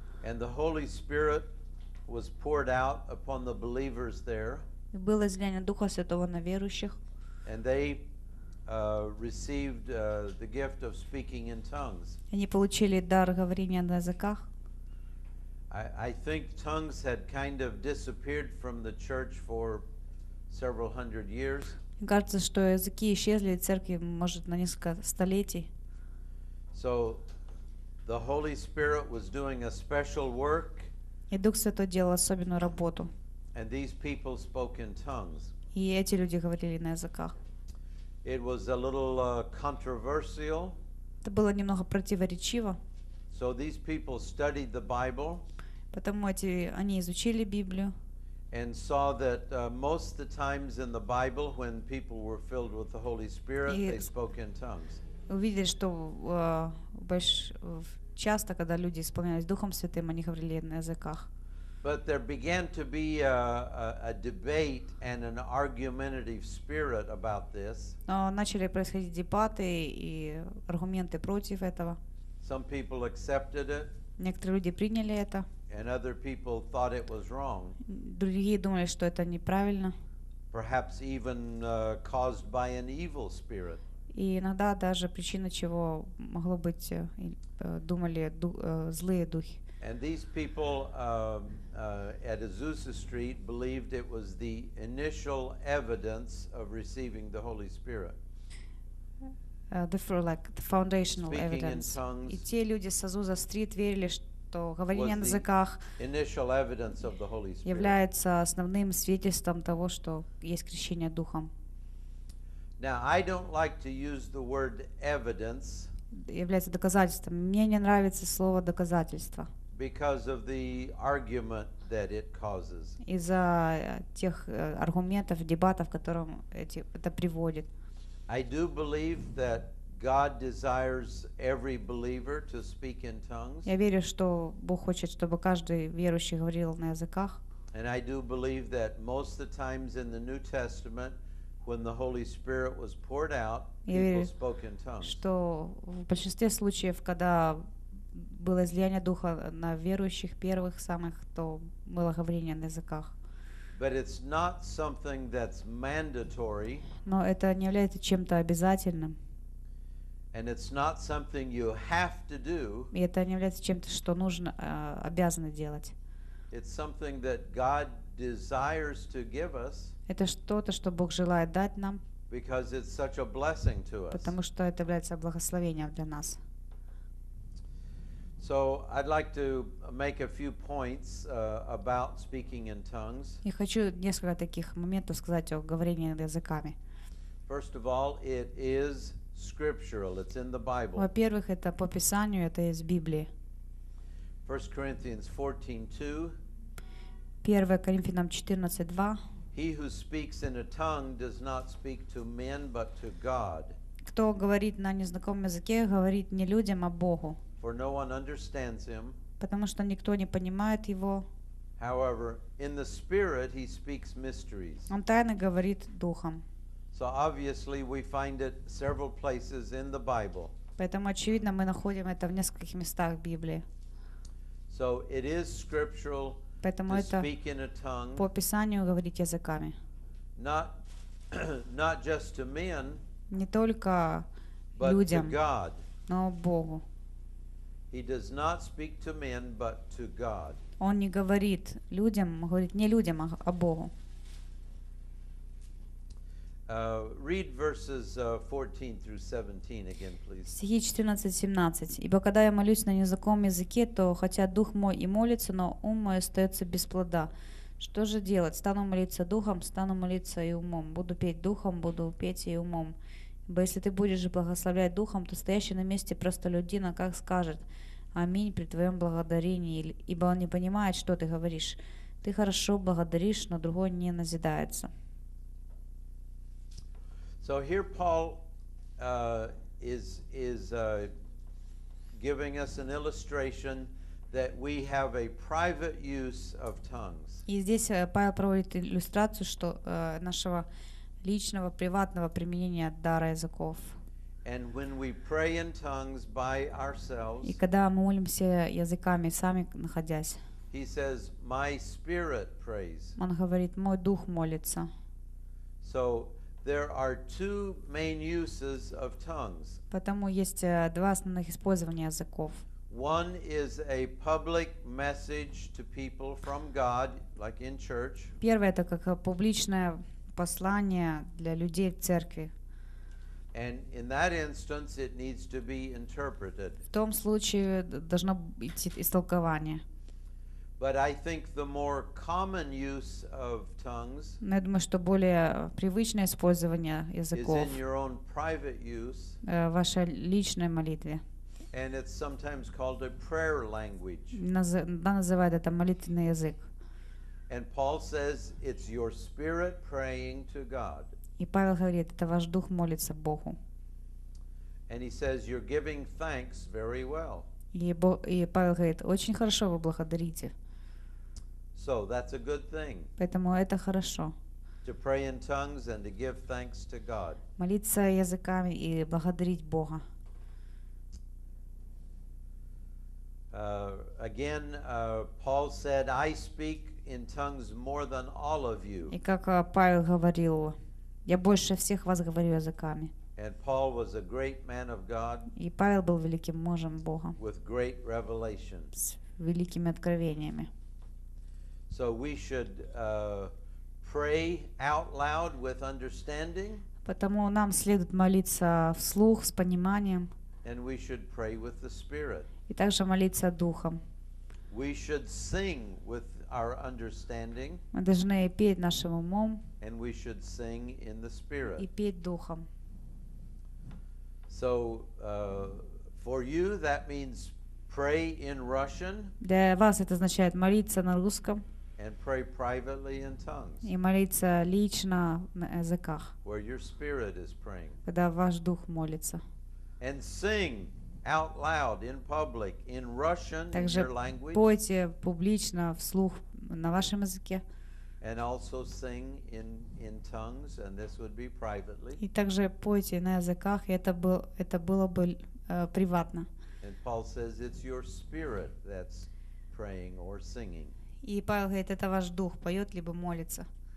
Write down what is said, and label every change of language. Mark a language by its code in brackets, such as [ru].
[en] And the Holy Spirit was poured out upon the believers there. [ru] И было излияние Духа Святого на верующих. [en] And they received the gift of speaking in tongues. [ru] Они получили дар говорения на языках. [en] I think tongues had kind of disappeared from the church for several hundred years. [ru] Кажется, что языки исчезли из церкви, может, на несколько столетий. [en] So the Holy Spirit was doing a special work. [ru] И Дух Святой делал особенную работу. [en] And these people spoke in tongues. [ru] И эти люди говорили на языках. [en] It was a little controversial. [ru] Это было немного противоречиво. [en] So these people studied the Bible. [ru] Потому эти они изучили Библию. [en] And saw that most of the times in the Bible when people were filled with the Holy Spirit, they spoke in tongues. [ru] Увидели, что часто, когда люди исполнялись Духом Святым, они говорили на языках. [en] But there began to be a debate and an argumentative spirit about this. [ru] Но начали происходить дебаты и аргументы против этого. [en] Some people accepted it. [ru] Некоторые люди приняли это. [en] And other people thought it was wrong. [ru] Другие думали, что это неправильно. [en] Perhaps even caused by an evil spirit. [ru] И иногда даже причина чего могло быть, думали злые духи. [en] And these people at Azusa Street believed it was the initial evidence of receiving the Holy Spirit. The foundational speaking evidence. In tongues. [ru] И те люди с Азуза Стрит верили, что говорение на языках является основным свидетельством того, что есть крещение Духом. [en] Now, I don't like to use the word evidence. [ru] Является доказательством. Мне не нравится слово доказательство. [en] Because of the argument that it causes. [ru] Из-за тех аргументов, дебатов, которым это приводит. [en] I do believe that God desires every believer to speak in tongues. [ru] Я верю, что Бог хочет, чтобы каждый верующий говорил на языках. [en] And I do believe that most of the times in the New Testament, when the Holy Spirit was poured out, people spoke in tongues. [ru] Что в большинстве случаев, когда было излияние Духа на верующих первых самых, то было говорение на языках. [en] But it's not something that's mandatory. [ru] Но это не является чем-то обязательным. [en] And it's not something you have to do. [ru] И это не является чем-то, что нужно, обязаны делать. [en] It's something that God desires to give us. [ru] Это что-то, что Бог желает дать нам. [en] Because it's such a blessing to us. [ru] Потому что это является благословением для нас. [en] So I'd like to make a few points about speaking in tongues. [ru] Я хочу несколько таких моментов сказать о говорении языками. [en] First of all, it is scriptural. It's in the Bible. [ru] Во-первых, это по Писанию, это из Библии. [en] 1 Corinthians 14:2. [ru] 1 Коринфянам 14:2. [en] He who speaks in a tongue does not speak to men, but to God. [ru] Кто говорит на незнаком языке, говорит не людям, а Богу. [en] For no one understands him. [ru] Потому что никто не понимает его. [en] However, in the spirit he speaks mysteries. [ru] Он тайно говорит духом. [en] So obviously we find it several places in the Bible. [ru] Поэтому очевидно, мы находим это в нескольких местах Библии. [en] So it is scriptural. [ru] Поэтому это по Писанию говорить языками. [en] Not just to men, [ru] не только [en] but [ru] людям, [en] to God. [ru] Но Богу. [en] He does not speak to men, but to God. [ru] Он не говорит людям, говорит не людям, а Богу. [en] Read verses 14 through 17 again, please. [ru] Стихи 14-17. Ибо когда я молюсь на незнаком языке, то хотя дух мой и молится, но ум мой остается без плода. Что же делать? Стану молиться духом, стану молиться и умом. Буду петь духом, буду петь и умом. Ибо если ты будешь же благословлять духом, то стоящий на месте простолюдина как скажет: аминь при твоем благодарении, ибо он не понимает, что ты говоришь. Ты хорошо благодаришь, но другой не назидается. [en] So here Paul is giving us an illustration that we have a private use of tongues. [ru] И здесь Павел проводит иллюстрацию, что нашего личного приватного применения дара языков. [en] And when we pray in tongues by ourselves. [ru] И когда мы молимся языками сами находясь. [en] He says, "My spirit prays." [ru] Он говорит, мой дух молится. [en] So there are two main uses of tongues. [ru] Потому есть два основных использования языков. [en] One is a public message to people from God, like in church. [ru] Первое это как публичное послание для людей в церкви. [en] And in that instance, it needs to be interpreted. [ru] В том случае должно быть истолкование. [en] But I think the more common use of tongues. [ru] Я думаю, что более привычное использование языков. [en] Is in your own private use. [ru] Ваша личная молитва. [en] And it's sometimes called a prayer language. [ru] Называют это молитвенный язык. [en] And Paul says it's your spirit praying to God. [ru] И Павел говорит, это ваш дух молится Богу. [en] And he says you're giving thanks very well. [ru] И Павел говорит, очень хорошо вы благодарите. [en] So that's a good thing. [ru] Поэтому это хорошо. [en] To pray in tongues and to give thanks to God. [ru] Молиться языками и благодарить Бога. [en] Again, Paul said, "I speak in tongues more than all of you." [ru] И как Павел говорил, я больше всех вас говорю языками. [en] And Paul was a great man of God. [ru] И Павел был великим мужем Бога. [en] With great revelation. [ru] С великими откровениями. [en] So we should pray out loud with understanding. [ru] Потому нам следует молиться вслух с пониманием. [en] And we should pray with the Spirit. [ru] И также молиться духом. [en] We should sing with our understanding. [ru] Мы должны петь нашим умом. [en] And we should sing in the Spirit. [ru] И петь духом. [en] So for you that means pray in Russian. [ru] Для вас это означает молиться на русском. [en] And pray privately in tongues. [ru] И молиться лично на языках. [en] Where your spirit is praying. [ru] Когда ваш дух молится. [en] And sing out loud in public in Russian in your language. [ru] Также пойте публично вслух на вашем языке. [en] And also sing in tongues, and this would be privately. [ru] И также пойте на языках, и это было бы приватно. [en] And Paul says it's your spirit that's praying or singing. [ru] И Павел говорит, это ваш дух поет либо молится.